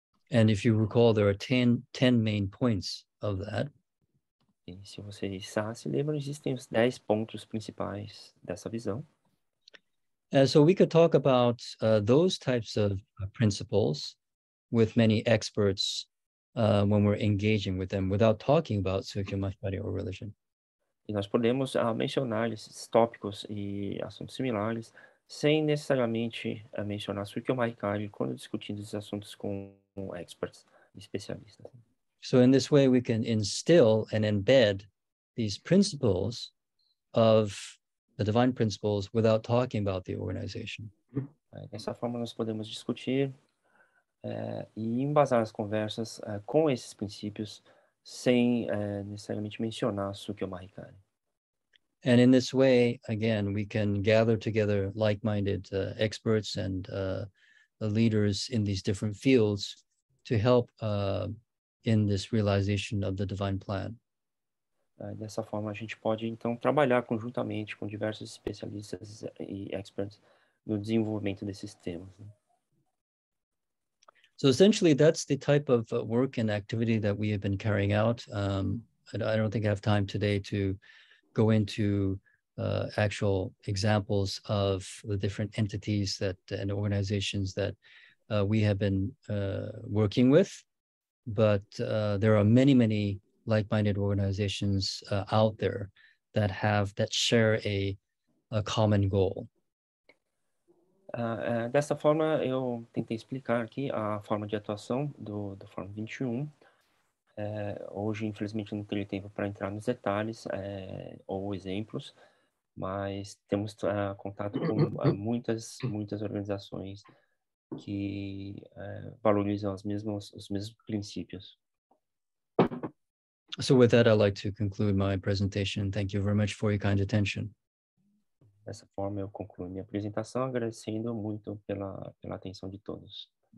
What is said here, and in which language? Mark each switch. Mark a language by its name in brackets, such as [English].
[English] And if you recall, there are 10 main points of that. [Portuguese] E se vocês se lembram, existem os 10 pontos principais dessa visão. [English] And so we could talk about those types of principles with many experts when we're engaging with them without talking about Sukiyomahikari or religion. [Portuguese] E nós podemos mencionar esses tópicos e assuntos similares sem necessariamente mencionar Sukiyomahikari quando discutindo esses assuntos com experts, especialistas. [English] So in this way, we can instill and embed these principles of the divine principles without talking about the organization. [Portuguese] Dessa forma, nós podemos discutir e embasar as conversas com esses princípios sem necessariamente mencionar Sukiyomahikari. [English] And in this way, again, we can gather together like-minded experts and the leaders in these different fields to help in this realization of the divine plan. [Portuguese] Dessa forma, a gente pode, então, trabalhar conjuntamente com diversos especialistas e experts no desenvolvimento desses temas. [English] So essentially, that's the type of work and activity that we have been carrying out. I don't think I have time today to go into actual examples of the different entities that and organizations that we have been working with. But there are many, many like-minded organizations out there that have that share a common goal. [Portuguese] Dessa forma, eu tentei explicar aqui a forma de atuação do Fórum 21. Hoje, infelizmente, não tenho tempo para entrar nos detalhes ou exemplos, mas temos contato com muitas organizações que valorizam os mesmos princípios. [English] So with that, I'd like to conclude my presentation. Thank you very much for your kind attention. [Portuguese] Dessa forma, eu concluo minha apresentação, agradecendo muito pela atenção de todos.